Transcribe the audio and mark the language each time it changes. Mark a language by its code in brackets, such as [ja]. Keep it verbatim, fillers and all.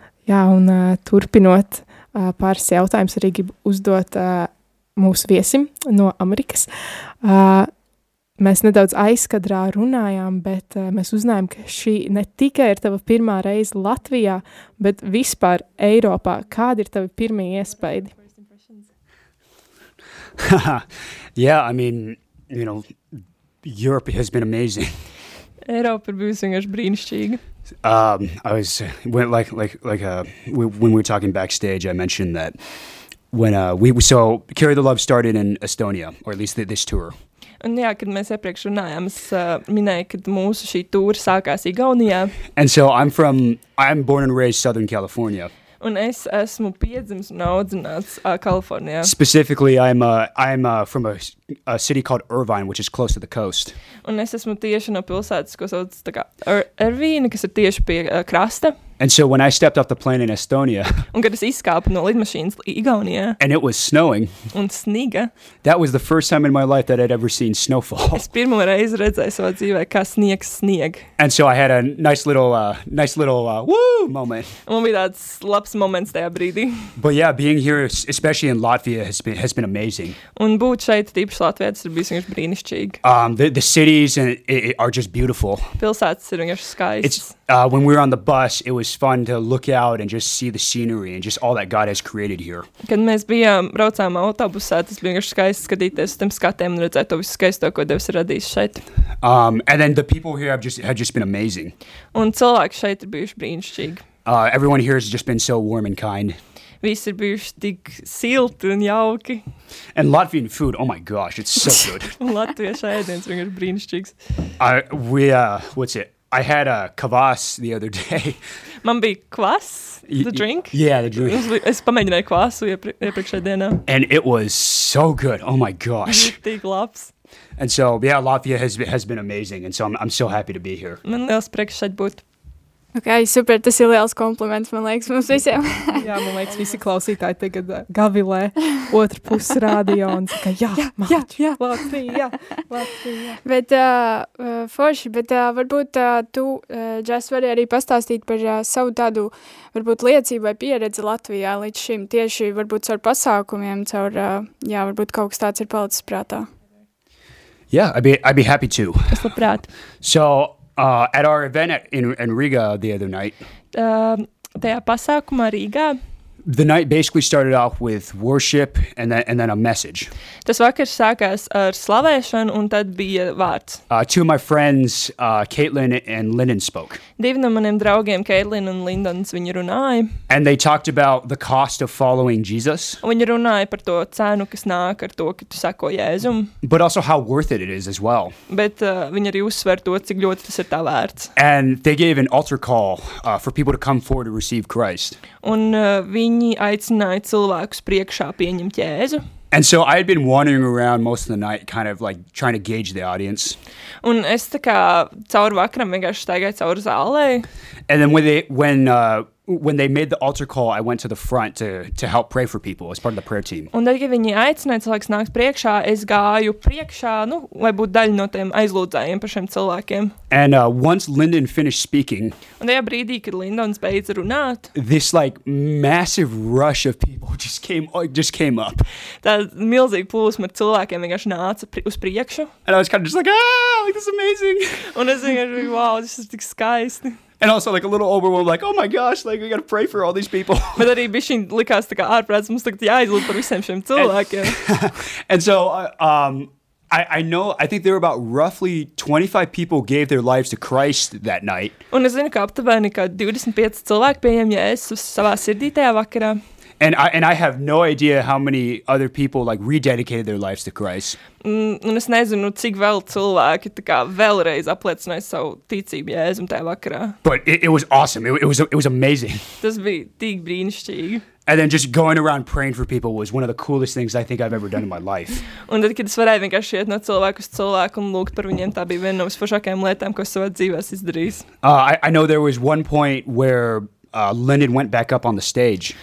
[lv] Jā, un uh, turpinot uh, pāris jautājums arī gribu uzdot uh, mūsu viesim no Amerikas. Uh, mēs nedaudz aizkadrā runājām, bet uh, mēs uzzinājām, ka šī ne tikai ir tava pirmā reize Latvijā, bet vispār Eiropā. Kādi ir tavi pirmie iespaidi? [en] Yeah, I mean, you know, Europe has been amazing. [lv] Eiropa ir bijusi vienkārši brīnišķīga. [en] Um, I was, when, like, like, like, uh, when we were talking backstage, I mentioned that When uh, we so Carry the Love started in Estonia, or at least the, this tour. [lv] Un jā, kad mēs iepriekš runājām, es uh, minēju, kad mūsu šī tūra sākās Igaunijā. [en] And so I'm from, I'm born and raised Southern California. [lv] Un es esmu piedzimis un audzināts uh, Kalifornijā. [en] Specifically, I'm uh, I'm uh, from a, a city called Irvine, which is close to the coast. [lv] Un es esmu tieši no pilsētas, ko sauc tā kā Ir- Irvine, kas ir tieši pie uh, krasta. [en] And so when I stepped off the plane in Estonia, [lv] un kad es izkāpu no lidmašīnas Igaunijā, [en] and it was snowing, [lv] un sniga, [en] that was the first time in my life that I'd ever seen snowfall. [lv] Es pirmo reizi redzēju savā dzīvē, kā sniegs snieg. [en] And so I had a nice little, uh, nice little uh, woo moment. [lv] Un bija tāds labs moments tajā brīdī. [en] But yeah, being here, especially in Latvia, has been has been amazing. [lv] Un būt šeit, tīpaši Latvijā, tas ir bijis vienkārši brīnišķīgi. [en] Um, the, the cities and it, it are just beautiful. [lv] Pilsētas ir vienkārši skaistas. [en] Uh, when we were on the bus, it was just fun to look out and just see the scenery and just all that God has created here. [lv] Kad mēs bijām, braucām autobusā, tas bija vienkārši skaisti skatīties uz tiem skatiem un redzēt to visu skaisto, ko Dievs ir radījis šeit. [en] Um, and then the people here have just, have just been amazing. [lv] Un cilvēki šeit ir bijuši brīnišķīgi. [en] Uh, everyone here has just been so warm and kind. [lv] Visi ir bijuši tik silti un jauki. [en] And Latvian food, oh my gosh, it's so good. [lv] Latviešu ēdiens vienkārši brīnišķīgs. [en] I, we, uh, what's it? I had a kvas the other day. [lv] Man bija kvas, the y- [en] drink? Yeah, the drink. [lv] Es pamēģināju kvasu iepri- iepriekšējā dienā. [en] And it was so good. Oh my gosh. [lv] Tik labs. [en] And so, yeah, Latvia has has been amazing. And so I'm I'm so happy to be here. [lv] Man liels prieks šeit būt. Okay, super, tas ir liels kompliments, man liekas, mums visiem. Jā, man liekas, visi klausītāji tagad uh, gavilē otru pusi radio un saka, jā, jā, māču, jā, Latvija, jā, Latvija. Bet, uh, uh, forši, bet uh, varbūt uh, tu, uh, Džas, vari arī pastāstīt par uh, savu tādu, varbūt, liecību vai pieredzi Latvijā līdz šim, tieši varbūt caur pasākumiem, caur, uh, jā, varbūt kaut kas tāds ir palicis prātā. [en] Yeah, I'd be, I'd be happy to. [lv] Es labprāt. [en] So... Uh, at our event at, in, in Riga the other night. [lv] Um, tajā pasākumā Rīgā. [en] The night basically started off with worship and then, and then a message. [lv] Tas vakars sākās ar slavēšanu un tad bija vārds. [en] Uh, two of my friends, uh, Caitlin and Lyndon, spoke. [lv] Divi no maniem draugiem, Caitlin un Lyndons, viņi runāja. [en] And they talked about the cost of following Jesus. [lv] Un viņi runāja par to cenu, kas nāk ar to, ka tu sako Jēzum. [en] But also how worth it it is as well. [lv] Bet uh, viņi arī uzsver to, cik ļoti tas ir tā vērts. [en] And they gave an altar call uh, for people to come forward to receive Christ. [lv] Un uh, Viņi aicināja cilvēkus priekšā pieņemt Jēzu. [en] And so I had been wandering around most of the night, kind of like trying to gauge the audience. [lv] Un es tā kā caur vakaram vienkārši staigāju caur zālē. [en] And then when they when uh, when they made the altar call, I went to the front to to help pray for people as part of the prayer team. [lv] Un tad, kad viņi aicināja cilvēkus nākt priekšā, es gāju priekšā, nu, lai būtu daļa no tiem aizlūdzējiem par šiem cilvēkiem. [en] And uh, once Lyndon finished speaking, [lv] un tajā brīdī, kad Lyndons beidza runāt, [en] this like massive rush of people just came just came up. [lv] Tā milzīga plūsma ar cilvēkiem vienkārši nāca pri- uz priekšu. [en] And I was kind of just like, ah, like this is amazing. [lv] Un es vienkārši biju, wow, [en] this is [lv] tik skaisti. [en] And also like a little overwhelmed, like, oh my gosh, like we got to pray for all these people. [lv] Bet arī bišķiņ likās tā kā ārprāts, mums tagad jāizlūdz par visiem šiem cilvēkiem. [en] And so uh, um, I, I know, I think there were about roughly twenty-five people gave their lives to Christ that night. [lv] Un es zinu, ka aptuveni, ka divdesmit pieci cilvēki pieņem Jēzus savā sirdī tajā vakarā. [en] And I and I have no idea how many other people like rededicated their lives to Christ. [lv] Mm, un es nezinu, cik vēl cilvēki tā kā vēlreiz apliecināja savu ticību Jēzum tajā vakarā. [en] But it, it was awesome. It, it was it was amazing. [lv] Tas bija tik brīnišķīgi. [en] And then just going around praying for people was one of the coolest things I think I've ever done in my life. [lv] Un tad, kad es varēju vienkārši iet no cilvēku uz cilvēku un lūgt par viņiem, tā bija viena no visforšākajām lietām, ko es savā dzīvēs izdarīju. [en] Uh, I, I know there was one point where Uh, Lyndon went back up on the stage.